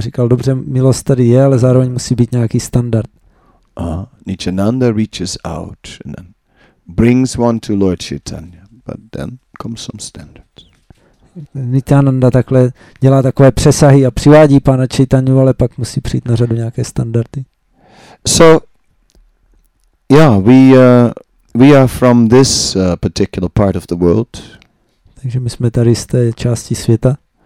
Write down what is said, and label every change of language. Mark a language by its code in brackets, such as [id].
[cs] Říkal, dobře, milost tady je, ale zároveň musí být nějaký standard. [en] Nityananda reaches out and then brings one to Lord Chaitanya, but then comes some standard. [cs] Nityananda takhle dělá takové přesahy a přivádí pána Chaitanyu, ale pak musí přijít na řadu nějaké standardy. [en] So, yeah, we are from this particular part of the world. [cs] Takže my jsme tady z té části světa.